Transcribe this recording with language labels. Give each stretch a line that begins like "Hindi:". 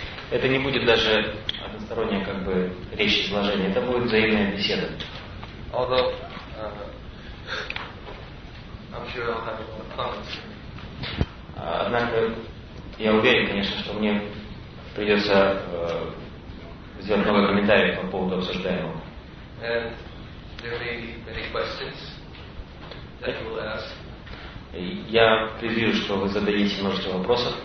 Russian: Это не будет даже односторонняя как бы речь изложения, это будет взаимная беседа.
English: Although, I'm sure I'll have a lot of comments.
Russian: Однако я уверен, конечно, что мне придется сделать много комментариев по поводу обсуждаемого.
English: And there may be many questions that you will ask.
Russian: Я предвижу, что вы зададите множество вопросов.